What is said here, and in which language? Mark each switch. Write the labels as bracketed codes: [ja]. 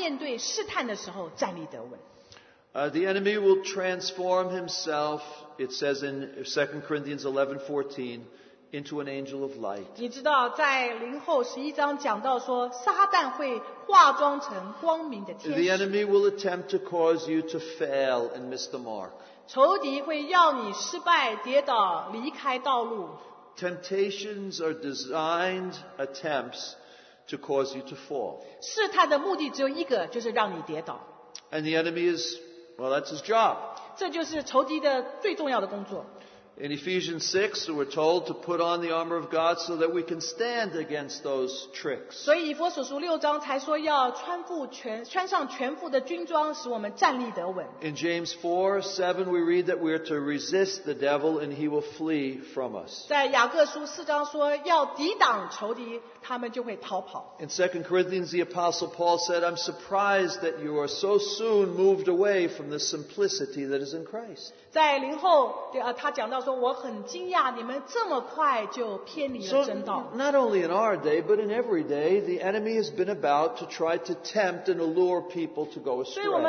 [zh] 最后一点也是第三点，就是要在面对试探的时候站立得稳。 [en] The enemy will transform himself, it says in 2 Corinthians 11:14, into an angel of light. [zh] 你知道，在灵后十一章讲到说，撒旦会化妆成光明的天使。 [en] The enemy will attempt to cause you to fail and miss the mark. [zh] 仇敌会要你失败、跌倒、离开道路。 [en] Temptations are designed attempts to cause you to fall. [zh] 试探的目的只有一个，就是让你跌倒。 [en] And the enemy is, well, that's his job. [zh] 这就是仇敌的最重要的工作。 [en] In Ephesians 6, we're told to put on the armor of God so that we can stand against those tricks. [zh] 所以以弗所书六章才说要穿上全副的军装，使我们站立得稳。 [en] In James 4, 7, we read that we are to resist the devil and he will flee from us. [zh] 在雅各书四章说要抵挡仇敌，他们就会逃跑。 [en] In 2 Corinthians, the Apostle Paul said, I'm surprised that you are so soon moved away from the simplicity that is in Christ. [zh] 在灵后，他讲到说，我很惊讶，你们这么快就偏离了真道。 [en] So, not only in our day, but in every day, the enemy has been about to try to tempt and allure people to go astray.